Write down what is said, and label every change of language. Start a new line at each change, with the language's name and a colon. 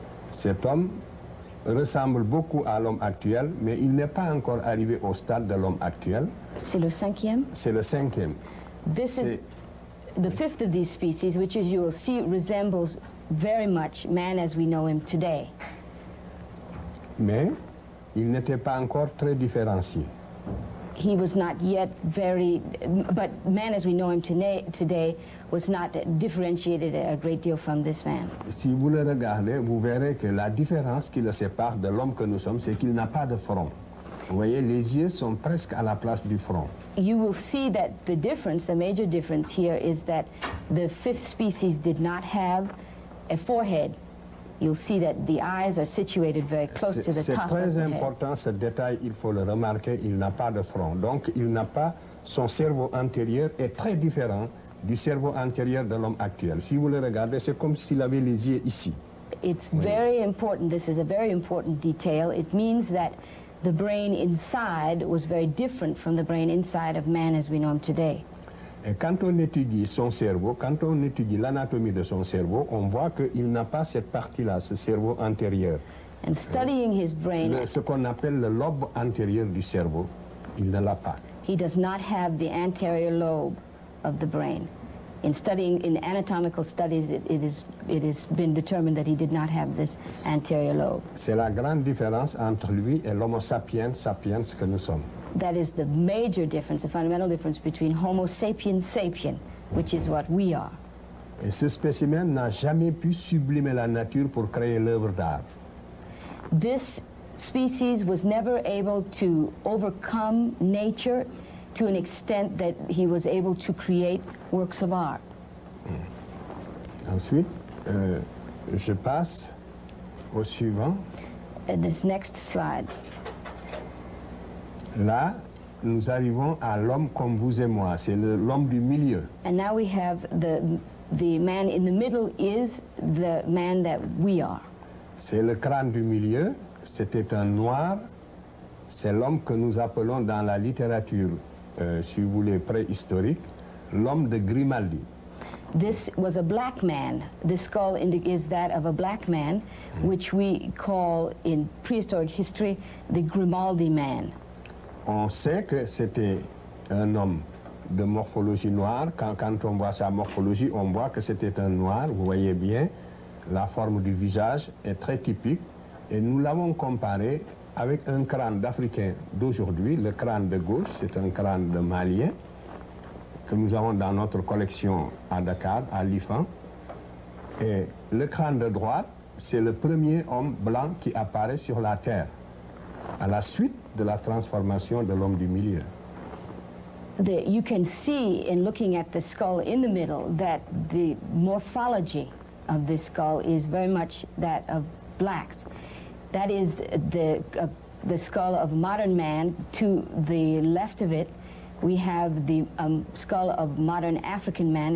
French: Cet homme ressemble beaucoup à l'homme actuel, mais il n'est pas encore arrivé au stade de l'homme actuel. C'est le cinquième? C'est le cinquième.
English: This is the fifth of these species, which, as you will see, resembles very much man as we know him today.
French: Mais il n'était pas encore très différencié.
English: He was not yet very, but man as we know him today was not differentiated a great deal from this man.
French: Si vous le regardez, vous verrez que la différence qui le sépare de l'homme que nous sommes, c'est qu'il n'a pas de front. Vous voyez, les yeux sont presque à la place du front.
English: You will see that the difference, the major difference here, is that the fifth species did not have a forehead. You'll see that the eyes are situated very close to the top of the head.
French: C'est très important ce détail, il faut le remarquer, il n'a pas de front. Donc il n'a pas, son cerveau antérieur est très différent du cerveau antérieur de l'homme actuel. Si vous le regardez, c'est comme s'il avait les yeux ici.
English: It's very important, this is a very important detail. It means that the brain inside was very different from the brain inside of man as we know him today.
French: Et quand on étudie son cerveau, quand on étudie l'anatomie de son cerveau, on voit qu'il n'a pas cette partie-là, ce cerveau antérieur.
English: And studying his brain,
French: ce qu'on appelle le lobe antérieur du cerveau, il ne l'a pas.
English: He does not have the anterior lobe of the brain. In studying, in anatomical studies, it has been determined that he did not have this anterior lobe.
French: C'est la grande différence entre lui et l'homo sapiens sapiens que nous sommes.
English: That is the major difference, the fundamental difference between Homo sapiens sapiens, which is what we are.
French: Et ce spécimen n'a jamais pu sublimer la nature pour créer l'œuvre d'art.
English: This species was never able to overcome nature to an extent that he was able to create works of art.
French: Ensuite, je passe au suivant.
English: And this next slide.
French: Là, nous arrivons à l'homme comme vous et moi. C'est l'homme du milieu.
English: And now we have the man in the middle is the man that we are.
French: C'est le crâne du milieu. C'était un noir. C'est l'homme que nous appelons dans la littérature, si vous voulez, préhistorique, l'homme de Grimaldi.
English: This was a black man. This skull is that of a black man, which we call in prehistoric history the Grimaldi man.
French: On sait que c'était un homme de morphologie noire. Quand on voit sa morphologie, on voit que c'était un noir. Vous voyez bien, la forme du visage est très typique. Et nous l'avons comparé avec un crâne d'Africain d'aujourd'hui. Le crâne de gauche, c'est un crâne de Malien que nous avons dans notre collection à Dakar, à l'IFAN. Et le crâne de droite, c'est le premier homme blanc qui apparaît sur la Terre à la suite de la transformation de l'homme du milieu.
English: You can see in looking at the skull in the middle that the morphology of this skull is very much that of blacks. That is the skull of modern man. To the left of it, we have the skull of modern African man.